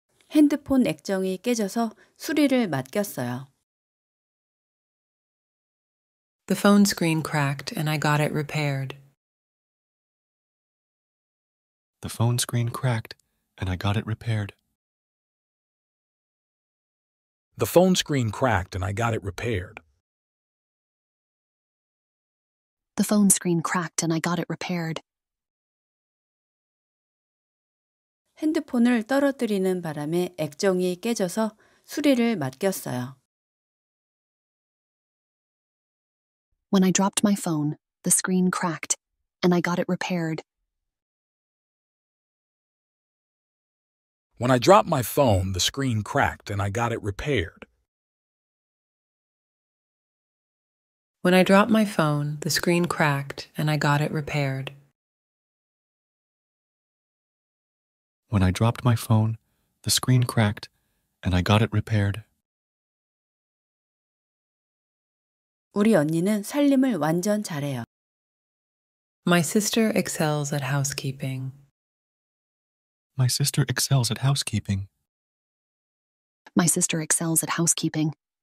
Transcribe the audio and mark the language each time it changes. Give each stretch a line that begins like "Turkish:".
Korean: 핸드폰 액정이 깨져서 수리를 맡겼어요.
English: The phone screen cracked and I got it repaired. The phone screen cracked and I got it repaired. The phone screen cracked and I got it repaired. The phone screen cracked and I got it repaired.
Korean: 핸드폰을 떨어뜨리는 바람에 액정이 깨져서 수리를 맡겼어요.
English: When I dropped my phone, the screen cracked, and I got it repaired. When I dropped my phone, the screen cracked, and I got it repaired. When I dropped my phone, the screen cracked, and I got it repaired. When I dropped my phone, the screen cracked, and I got it repaired.
Korean: 우리 언니는 살림을 완전 잘해요.
English: My sister excels at housekeeping. My sister excels at housekeeping. My sister excels at housekeeping.